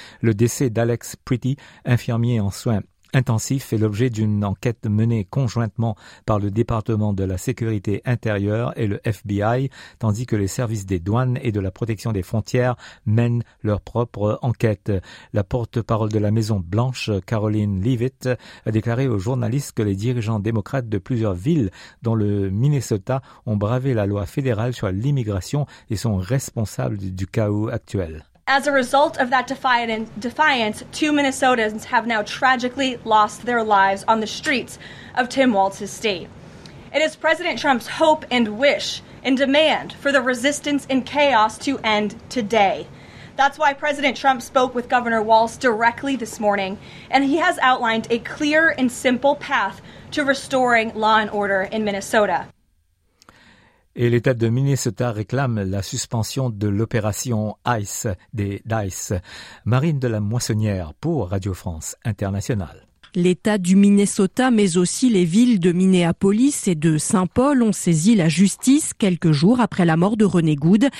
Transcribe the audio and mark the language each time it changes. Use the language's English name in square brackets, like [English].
[French] Le décès d'Alex Pretty, infirmier en soins intensifs, fait l'objet d'une enquête menée conjointement par le département de la sécurité intérieure et le FBI, tandis que les services des douanes et de la protection des frontières mènent leur propre enquête. La porte-parole de la Maison Blanche, Caroline Leavitt, a déclaré aux journalistes que les dirigeants démocrates de plusieurs villes, dont le Minnesota, ont bravé la loi fédérale sur l'immigration et sont responsables du chaos actuel. [English] As a result of that defiance, two Minnesotans have now tragically lost their lives on the streets of Tim Walz's state. It is President Trump's hope and wish and demand for the resistance and chaos to end today. That's why President Trump spoke with Governor Walz directly this morning, and he has outlined a clear and simple path to restoring law and order in Minnesota. [French] Et l'État de Minnesota réclame la suspension de l'opération ICE des DICE. Marine de la Moissonnière pour Radio France Internationale. L'État du Minnesota, mais aussi les villes de Minneapolis et de Saint-Paul ont saisi la justice quelques jours après la mort de René Goude.